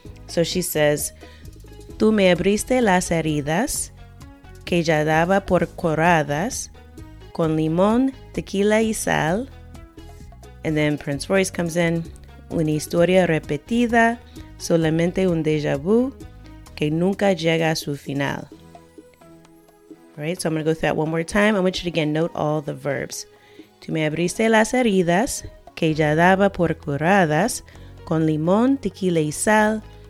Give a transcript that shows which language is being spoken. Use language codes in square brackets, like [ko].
[en] So she says, [es] tú me abriste las heridas que ya daba por curadas con limón, tequila y sal. [en] And then Prince Royce comes in. [es] Una historia repetida, solamente un déjà vu que nunca llega a su final. [en] All right, so I'm going to go through that one more time. I want you to again note all the verbs. [es] Tú me abriste las heridas que ya daba por curadas con limón, tequila y sal.